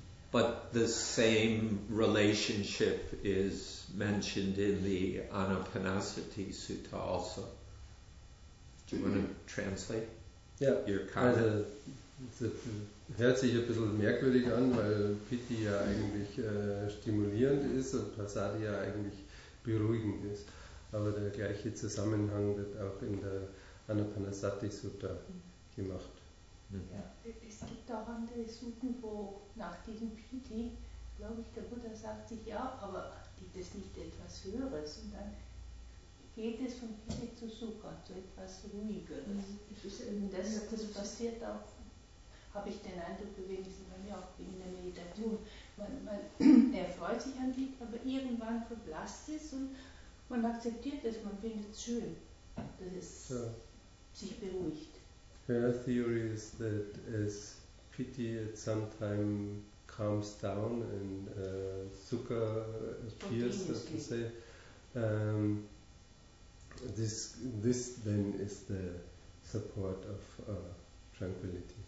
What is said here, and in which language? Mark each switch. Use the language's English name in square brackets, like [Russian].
[English] But the same relationship is mentioned in the Anapanasati Sutta also. Do you want to translate? Yeah. Your comment? [German] Also, das hört sich ein bisschen merkwürdig an, weil Pity ja eigentlich stimulierend ist und Prasada ja eigentlich beruhigend ist. Aber der gleiche Zusammenhang wird auch in der Anapanasati Sutta gemacht. Ja. Es gibt auch andere Sutten, wo nach diesem Pity, glaube ich, der Buddha sagt sich ja, aber gibt es nicht etwas Höheres? Und dann geht es von Pity zu Sukha, zu etwas Ruhigeres. Das passiert auch, habe ich den Eindruck, wenigstens bei mir auch in der Meditation. Man erfreut sich an Pity, aber irgendwann verblasst es und man akzeptiert es, man findet es schön, dass es so sich beruhigt. [English] Her theory is that as pity at some time calms down and sukha appears, so to say, this then is the support of tranquility.